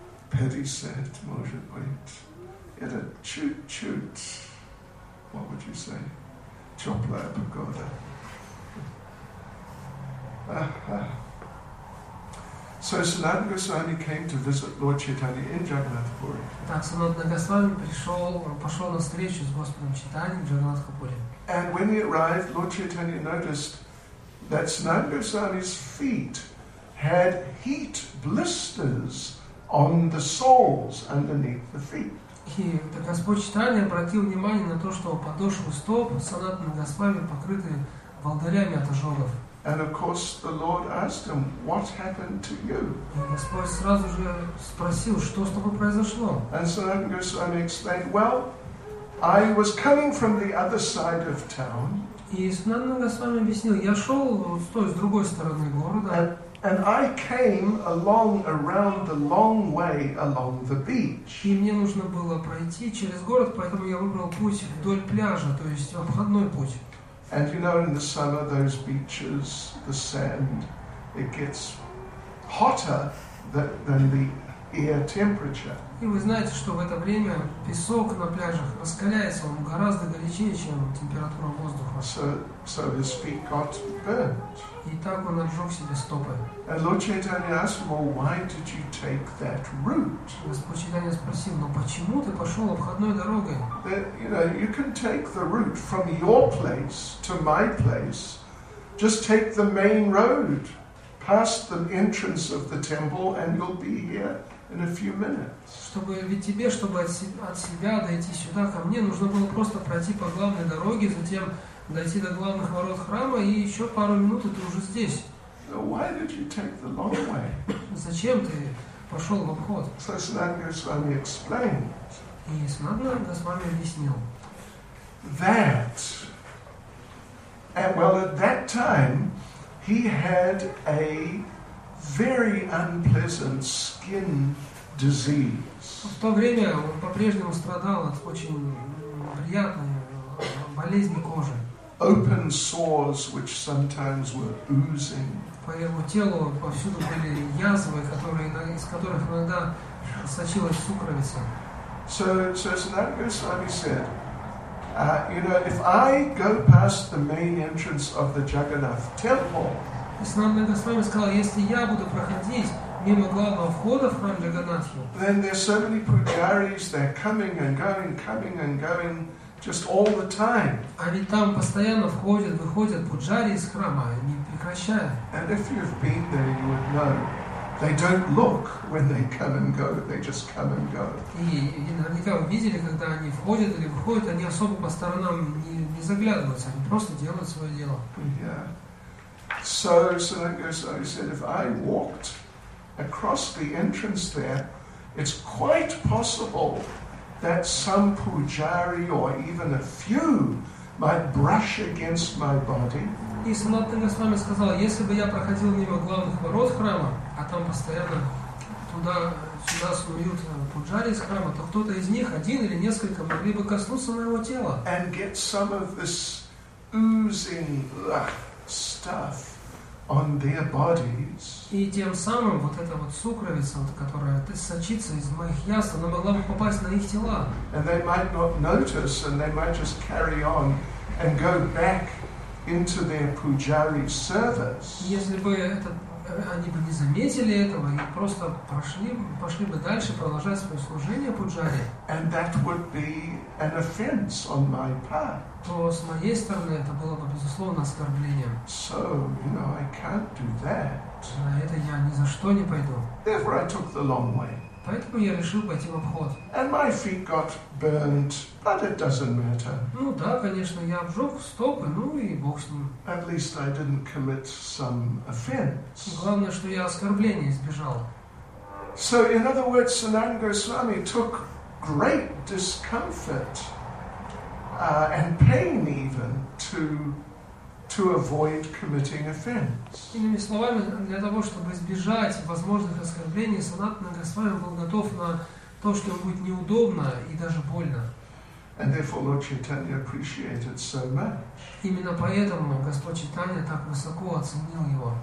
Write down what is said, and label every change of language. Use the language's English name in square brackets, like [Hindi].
[English] Petty said, [Russian] может быть. [English] It a choot-choot. What would you say? [Russian] Теплая погода. [English] So Sanatana Goswami came to visit Lord Chaitanya in Jagannath Puri. [Russian] Так Sanatana Goswami пошел на встречу с Господом Чайтаньей в Джаганнатха Пури. [English] And when he arrived, Lord Chaitanya noticed that Sanatana Goswami's feet had heat blisters on the soles underneath the feet. [Russian] И так Господь Чайтанья обратил внимание на то, что подошвы стоп Санатана Госвами покрыты волдырями от ожогов. [English] And of course the Lord asked him, what happened to you? [Russian] И Господь сразу же спросил, что с тобой произошло? [English] And Санатана Госвами explained, well, I was coming from the other side of town. [Russian] И Санатана Госвами объяснил, я шел с другой стороны города. [English] And I came along around the long way along the beach. [Russian] И мне нужно было пройти через город, поэтому я выбрал путь вдоль пляжа, то есть обходной путь. [English] And you know, in the summer, those beaches, the sand, it gets hotter than the air temperature. [Russian] И вы знаете, что в это время песок на пляжах раскаляется, он гораздо горячее, чем температура воздуха. [English] So his feet got burnt. [Russian] И так он обжег себе стопы. [English] And Lord Chaitanya asked him, well, why did you take that route? [Russian] Господь Чайтанья спросил, но почему ты пошел обходной дорогой? [English] That, you know, you can take the route from your place to my place. Just take the main road past the entrance of the temple and you'll be here. In a few minutes. [Russian] Чтобы ведь тебе, чтобы от себя дойти сюда ко мне, нужно было просто пройти по главной дороге, затем дойти до главных ворот храма и еще пару минут и ты уже здесь. [English] So why did you take the long way? [Russian] Зачем ты пошел в обход? [English] So Sanatana Goswami explained. [Russian] И Sanatana Goswami объяснил. [English] That. And well, at that time, he had a very unpleasant skin disease. [Russian] В то время он по-прежнему страдал от очень неприятной болезни кожи. [English] Open sores, which sometimes were oozing. [Russian] По его телу повсюду были язвы, из которых иногда сочилась сукровица. [English] So Sanatana Goswami said, you know, if I go past the main entrance of the Jagannath temple, [Russian] Sanatana Goswami сказал, если я буду проходить мимо главного входа в храм Джаганнатхи, [English] then there are so many pujaris, they're coming and going, just all the time. [Russian] А ведь там постоянно входят, выходят пуджари из храма, не прекращая. [English] And if you've been there, you would know, they don't look when they come and go, they just come and go. [Russian] И наверняка вы видели, когда они входят или выходят, они особо по сторонам не заглядываются, они просто делают свое дело. [English] Yeah. So Sanatana Goswami said, if I walked across the entrance there, it's quite possible that some pujari or even a few might brush against my body. [Russian] И Sanatana Goswami сказал, если бы я проходил мимо главных ворот храма, а там постоянно туда сюда свою пуджари из храма, то кто-то из них, один или несколько, могли бы коснуться моего тела. [English] And get some of this oozing stuff on their bodies. [Russian] И тем самым вот эта вот сукровица, вот, которая сочится из моих яств, она могла бы попасть на их тела. [English] And they might not notice, and they might just carry on and go back into their pujari service. [Russian] Если бы это, они бы не заметили этого и просто пошли бы дальше продолжать свое служение пуджари. [English] And that would be an offense on my part. [Russian] То с моей стороны это было бы безусловно оскорблением. [English] So, you know, I can't do that. [Russian] На это я ни за что не пойду. [English] Therefore, I took the long way. [Russian] Поэтому я решил пойти в обход. [English] And my feet got burnt, but it doesn't matter. [Russian] Ну да, конечно, я обжег стопы, ну и бог с ним. [English] At least I didn't commit some offense. [Russian] Главное, что я оскорбления избежал. [English] So, in other words, Sanatana Goswami took great discomfort and pain even to avoid committing offense. [Russian] Иными словами, для того, чтобы избежать возможных оскорблений, Санатана Госвами был готов на то, что будет неудобно и даже больно. [English] And therefore Lord Chaitanya appreciated so much. [Russian] Именно поэтому Господь Чайтанья так высоко оценил его.